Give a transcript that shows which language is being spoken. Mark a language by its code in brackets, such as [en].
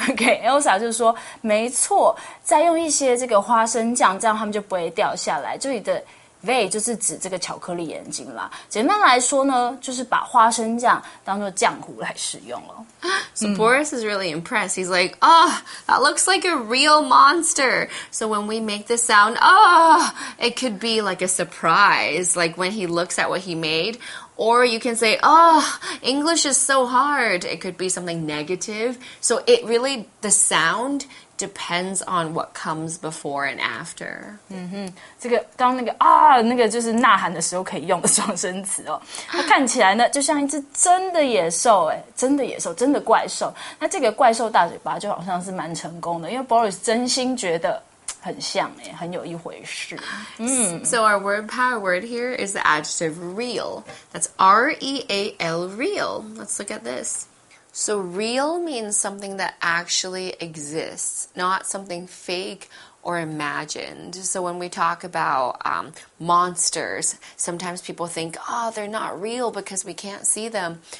[zh] OK Elsa 就说没错再用一些这个花生酱这样他们就不会掉下来这里的 They 就是指这个巧克力眼睛啦。简单来说呢，就是把花生酱当作浆糊来使用了。 [en] So Boris is really impressed. He's like, oh, that looks like a real monster. So when we make the sound, oh, it could be like a surprise. Like when he looks at what he made. Or you can say, oh, English is so hard. It could be something negative. So it really, the sound depends on what comes before and after. [zh] 嗯哼，这个刚那个啊，那个就是呐喊的时候可以用的双声词哦。它看起来呢，就像一只真的野兽，哎，真的野兽，真的怪兽。那这个怪兽大嘴巴就好像是蛮成功的，因为 Boris 真心觉得很像耶，很有一回事。 [en] So our word power word here is the adjective real. That's R-E-A-L, real. Let's look at this. So real means something that actually exists, not something fake or imagined. So when we talk about monsters, sometimes people think, oh, they're not real because we can't see them.